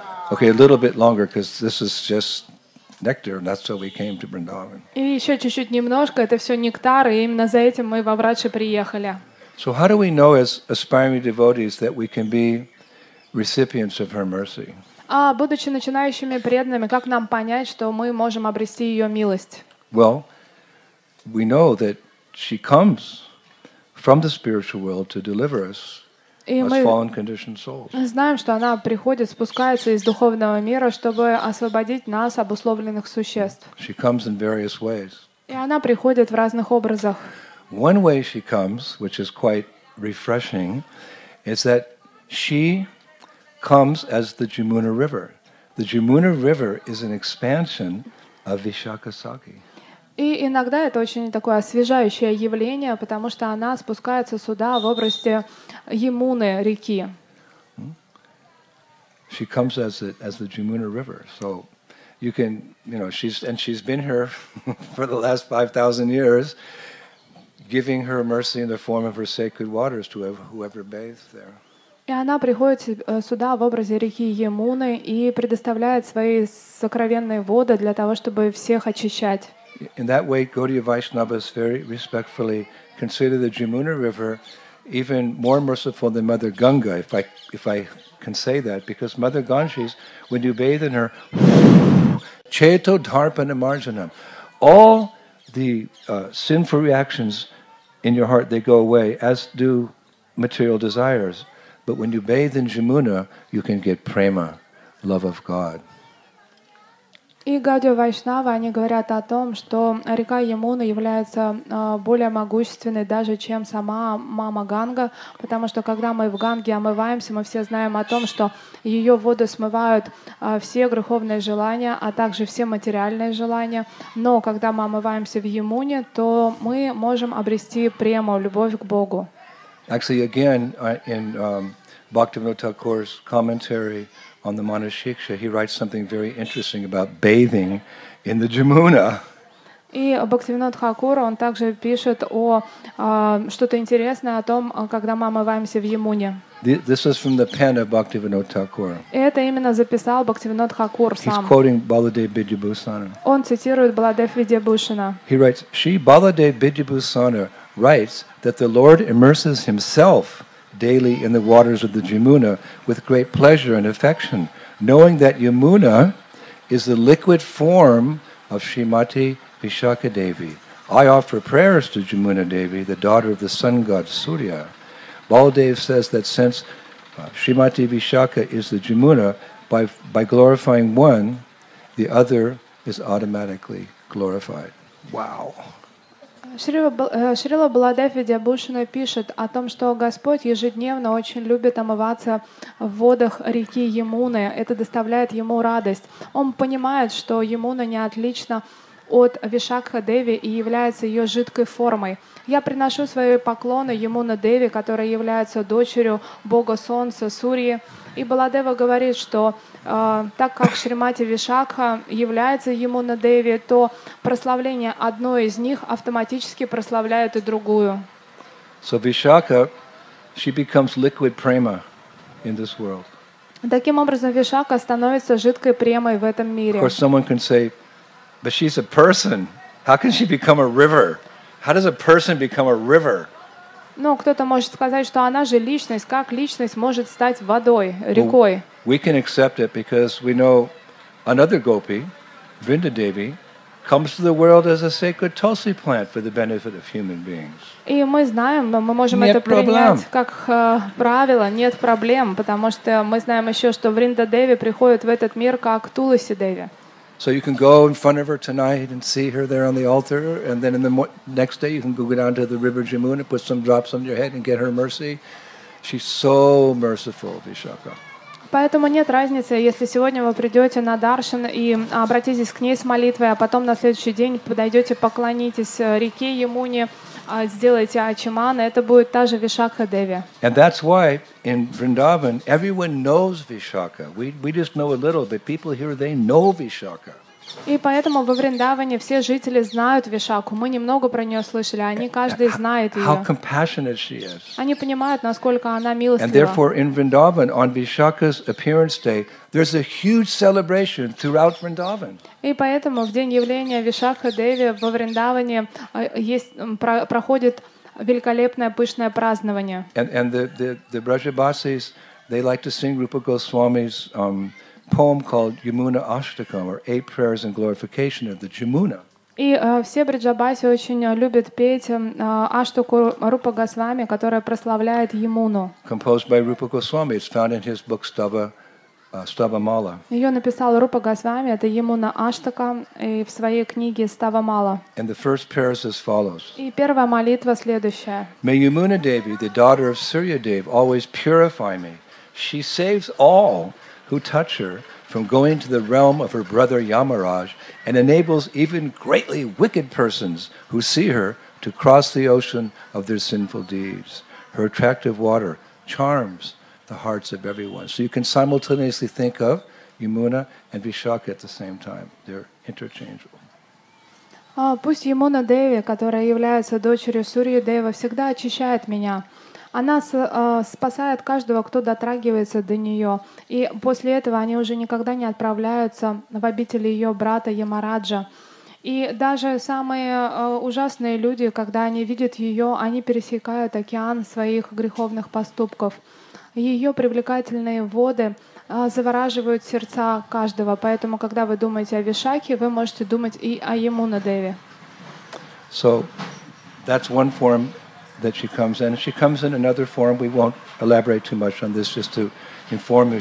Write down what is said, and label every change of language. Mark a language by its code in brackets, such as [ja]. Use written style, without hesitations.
[en] Okay, a little bit longer because this is just nectar, and that's why we came to Vrindavan. [ru] И еще чуть-чуть немножко. Это все нектар, и именно за этим мы во Врадже приехали. [en] So how do we know as aspiring devotees that we can be recipients of her mercy? [ru] Будучи начинающими преданными, как нам понять, что мы можем обрести ее милость? [en] Well, we know that she comes from the spiritual world to deliver us as fallen conditioned souls. [ru] Мы знаем, что она приходит, спускается из духовного мира, чтобы освободить нас, обусловленных существ. [en] She comes in various ways. [ru] И она приходит в разных образах. [en] One way she comes, which is quite refreshing, is that she comes as the Jamuna River. The Jamuna River is an expansion of Vishakhasagar. [ru] И иногда это очень такое освежающее явление, потому что она спускается сюда в образе Ямуны реки. [en] She comes as the Jamuna River. So you can, you know, she's been here for the last 5,000 years, giving her mercy in the form of her sacred waters to whoever bathes there. [ru] И она приходит сюда в образе реки Ямуны и предоставляет свои сокровенные воды для того, чтобы всех очищать. [en] In that way, Gaudiya Vaishnavas very respectfully consider the Jamuna River even more merciful than Mother Ganga, if I can say that, because Mother Ganges, when you bathe in her, [sa] cheto dharpana marjanam, [en] all the sinful reactions in your heart, they go away, as do material desires. But when you bathe in Jamuna, you can get prema, love of God. [ru] И Гаудия Вайшнава, они говорят о том, что река Ямуна является более могущественной даже, чем сама мама Ганга, потому что когда мы в Ганге омываемся, мы все знаем о том, что ее воды смывают все греховные желания, а также все материальные желания. Но когда мы омываемся в Ямуне, то мы можем обрести прему, любовь к Богу. [en] Actually, again, in Bhaktivinoda Thakur's commentary on the Manushiksha, he writes something very interesting about bathing in the Jamuna. [ru] И Бхактивинода Тхакур, он также пишет о что-то интересное о том, когда мы омываемся в Ямуне. [en] This is from the pen of Bhaktivinoda Thakur. [ru] Это именно записал Бхактивинода Тхакур сам. [en] He's quoting Баладев Бидьябхусана. [ru] Он цитирует Баладев Бидьябхусана. [en] He writes, "She Баладев Бидьябхусана writes that the Lord immerses himself daily in the waters of the Jamuna with great pleasure and affection, knowing that Yamuna is the liquid form of Srimati Vishakhadevi. I offer prayers to Jamuna Devi, the daughter of the sun god Surya." Baladev says that since Srimati Vishakha is the Jamuna, by glorifying one, the other is automatically glorified. Wow! [ru] Шрила Баладев Видьябхусана пишет о том, что Господь ежедневно очень любит омываться в водах реки Ямуны. Это доставляет ему радость. Он понимает, что Ямуна не отлична от Вишакха Деви и является ее жидкой формой. Я приношу свои поклоны Ямуна Деви, которая является дочерью Бога Солнца Сурьи. И Баладева говорит, что так как Шримати Вишакха является Ямуна Деви, то прославление одной из них автоматически прославляет и другую. [en] So Vishakha, she becomes liquid prema in this world. [ru] Таким образом, Вишакха становится жидкой премой в этом мире. [en] Of course, someone can say, but she's a person. How can she become a river? How does a person become a river? [ru] Ну, кто-то может сказать, что она же личность. Как личность может стать водой, рекой? [en] Well, we can accept it because we know another gopi, Vrinda Devi, comes to the world as a sacred tulsi plant for the benefit of human beings. [ru] И мы знаем, мы можем это принять как правило, нет проблем, потому что мы знаем еще, что Vrinda Devi приходит в этот мир как Tulsi Devi. [en] So you can go in front of her tonight and see her there on the altar, and then in the next day you can go down to the river Jamuna and put some drops on your head and get her mercy. She's so merciful, Vishakha. [ru] Поэтому нет разницы, если сегодня вы придете на даршан и обратитесь к ней с молитвой, а потом на следующий день подойдете, поклонитесь реке Ямуне, сделайте ачимана, это будет та же Вишакха Деви. [en] And that's why in Vrindavan everyone knows Vishakha. We just know a little, but people here, they know Vishakha. [ru] И поэтому во Вриндаване все жители знают Вишакху. Мы немного про нее слышали, они каждый знает ее. [en] How compassionate she is. [ru] Они понимают, насколько она милостлива. [en] And therefore in Vrindavan on Vishakha's appearance day, there's a huge celebration throughout Vrindavan. [ru] И поэтому в день явления Вишакха Деви во Вриндаване проходит великолепное пышное празднование. [en] And the Brajabasis, they like to sing Rupa Goswami's poem called Yamuna Ashtakam, or Eight Prayers and Glorification of the Jamuna. [ru] И все бриджабаси очень любят петь Аштаку Рупа Госвами, которая прославляет Ямуну. [en] Composed by Rupa Goswami, it's found in his book Stava [ru] Ставамала. Ее написал Рупа Госвами, это ему на Аштака и в своей книге Ставамала. [en] And the first prayer is as follows. [ru] И первая молитва следующая. [en] May Yamuna Devi, the daughter of Surya Dev, always purify me. She saves all who touch her from going to the realm of her brother Yamaraj and enables even greatly wicked persons who see her to cross the ocean of their sinful deeds. Her attractive water charms the hearts of everyone. So you can simultaneously think of Yamuna and Vishakha at the same time. They're interchangeable. [ru] Пусть Yamuna Devi, которая является дочерью Сурья Дева, всегда очищает меня. Она спасает каждого, кто дотрагивается до нее. И после этого они уже никогда не отправляются в обители ее брата Ямараджа. И даже самые ужасные люди, когда они видят ее, они пересекают океан своих греховных поступков. Ее привлекательные воды завораживают сердца каждого. Поэтому, когда вы думаете о Вишакхе, вы можете думать и о Yamuna Devi. [en] So, that's one form that she comes in. She comes in another form. We won't elaborate too much on this, just to inform you.